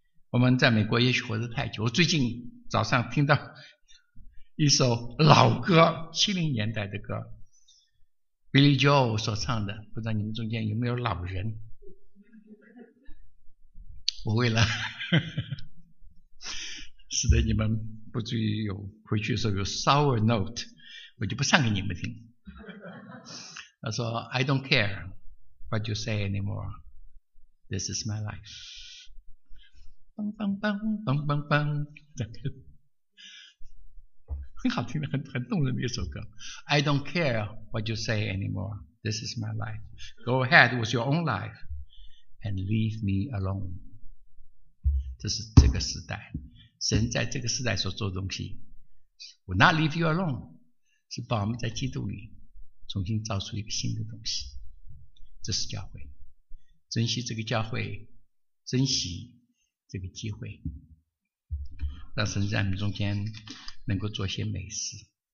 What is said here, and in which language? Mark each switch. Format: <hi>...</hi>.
<zh>我们在美国也许活得太久，我最近早上听到一首老歌，70年代的歌， Billy Joel 所唱的，不知道你们中间有没有老人，我为了使得你们不至于有回去的时候有 sour note， 我就不唱给你们听。他说</zh> <en>I don't care what you say anymore, this is my life。</en> <zh>棒棒棒棒棒棒，很好听的， 很动人的一首歌。</zh> <en>I don't care what you say anymore, this is my life, go ahead with your own life and leave me alone。</en> <zh>这是这个时代神在这个时代所做的东西，</zh> <en>will not leave you alone，</en> <zh>是把我们在基督里重新造出一个新的东西，这是教会。珍惜这个教会，珍惜这个机会，让神在我们中间能够做些美事。</zh>